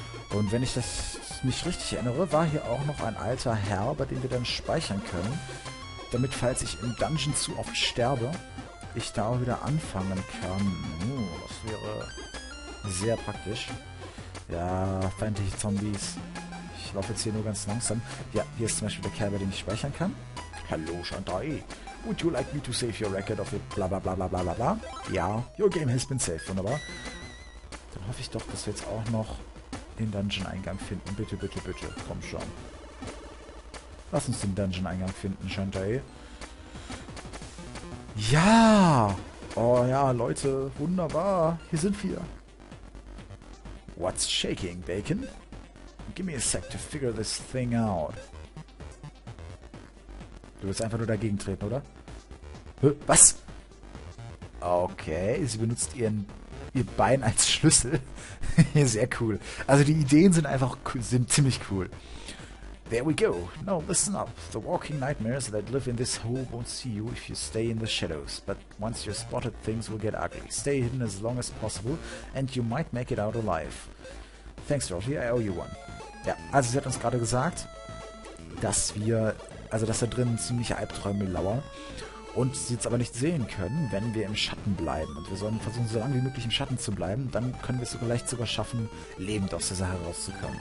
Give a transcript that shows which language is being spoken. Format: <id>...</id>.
<de>Und wenn ich das nicht richtig erinnere, war hier auch noch ein alter Herr, bei dem wir dann speichern können, damit, falls ich im Dungeon zu oft sterbe, ich da auch wieder anfangen kann. Das wäre sehr praktisch. Ja, feindliche Zombies. Ich laufe jetzt hier nur ganz langsam. Ja, hier ist zum Beispiel der Kerl, bei dem ich speichern kann.</de> <en>Hello, Shantae. Would you like me to save your record of it? Blah, blah, blah, blah, blah, blah. Ja, your game has been saved.</en> <de>Wunderbar. Dann hoffe ich doch, dass wir jetzt auch noch den Dungeon-Eingang finden. Bitte, bitte, bitte. Komm schon. Lass uns den Dungeon-Eingang finden, Shantae. Ja! Oh ja, Leute. Wunderbar. Hier sind wir.</de> <en>What's shaking, Bacon? Give me a sec to figure this thing out.</en> <de>Du willst einfach nur dagegen treten, oder? Hä? Was? Okay, sie benutzt ihr Bein als Schlüssel. Sehr cool. Also die Ideen sind einfach sind ziemlich cool.</de> <en>There we go. Now listen up. The walking nightmares that live in this hole won't see you if you stay in the shadows. But once you're spotted, things will get ugly. Stay hidden as long as possible and you might make it out alive. Thanks, Rosie. I owe you one.</en> <de>Ja, also sie hat uns gerade gesagt, dass wir... Also, dass da drinnen ziemliche Albträume lauern und sie jetzt aber nicht sehen können, wenn wir im Schatten bleiben. Und wir sollen versuchen, so lange wie möglich im Schatten zu bleiben. Dann können wir es vielleicht sogar schaffen, lebend aus der Sache rauszukommen.</de>